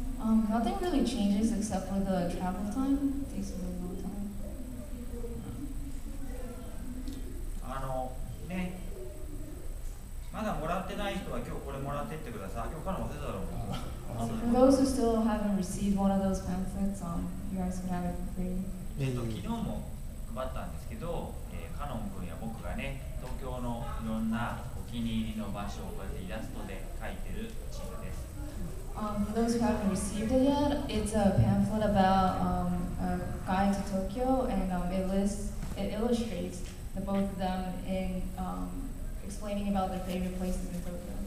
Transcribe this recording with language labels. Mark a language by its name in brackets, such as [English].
[English] Nothing really changes except for the travel time. Takes a long time. [Japanese] ね、まだもらってない人は今日これもらってってください。今日からもせだろう。 [English] For those who still haven't received one of those pamphlets, you guys can have it for free. [Japanese] 昨日も配ったんですけど、カノン君や僕がね、東京のいろんなお気に入りの場所をこうやってイラストで描いてるチームです。 [English] For those who haven't received it yet, it's a pamphlet about a guide to Tokyo, and it illustrates the both of them in explaining about their favorite places in Tokyo.